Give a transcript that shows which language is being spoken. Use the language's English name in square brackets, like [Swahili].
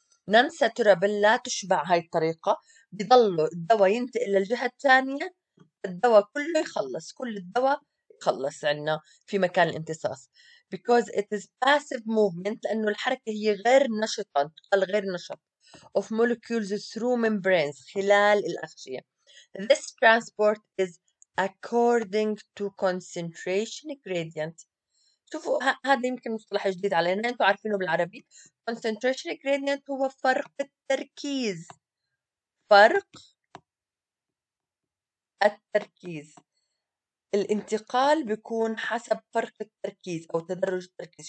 [English] non saturable، [Arabic] لا تشبع، هاي الطريقة بيضلوا الدواء ينتقل للجهة الثانية، الدواء كله يخلص، كل الدواء خلص عنا في مكان الامتصاص. [English] Because it is passive movement، [Arabic] لأنه الحركة هي غير نشطة، تقال غير نشط، [English] of molecules through membranes، [Arabic] خلال الأغشية. [English] This transport is according to concentration gradient. [Arabic] شوفوا هذا يمكن مصطلح جديد علينا، أنتم عارفينه بالعربي. concentration gradient هو فرق التركيز، فرق التركيز. الانتقال بيكون حسب فرق التركيز او تدرج التركيز.